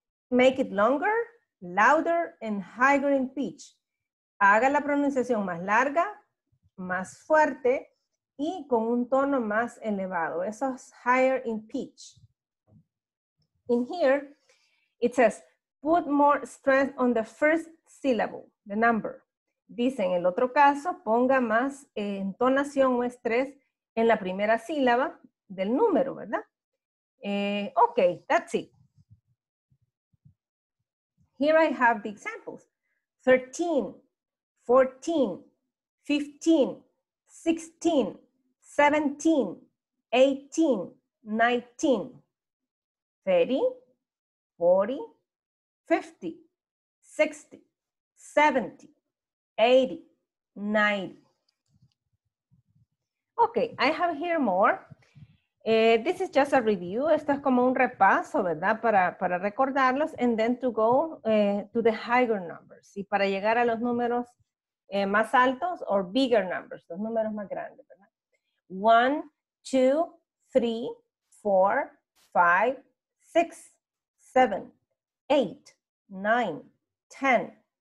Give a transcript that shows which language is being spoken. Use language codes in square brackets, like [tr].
[en] Make it longer, louder, and higher in pitch. [es] Haga la pronunciación más larga, más fuerte, y con un tono más elevado. Eso es [en] higher in pitch. In here, it says, put more stress on the first syllable, the number. [es] Dice, en el otro caso, ponga más entonación o estrés en la primera sílaba del número, ¿verdad? [en] Okay, that's it. Here I have the examples. 13, 14, 15, 16, 17, 18, 19, 30, 40, 50, 60, 70, 80, 90. Okay, I have here more. This is just a review. [es] Esto es como un repaso, ¿verdad? Para recordarlos. [en] And then to go to the higher numbers. [es] Y para llegar a los números más altos [en] or bigger numbers. [es] Los números más grandes, ¿verdad? 1, 2, 3, 4, 5, 6, 7, 8, 9, 10.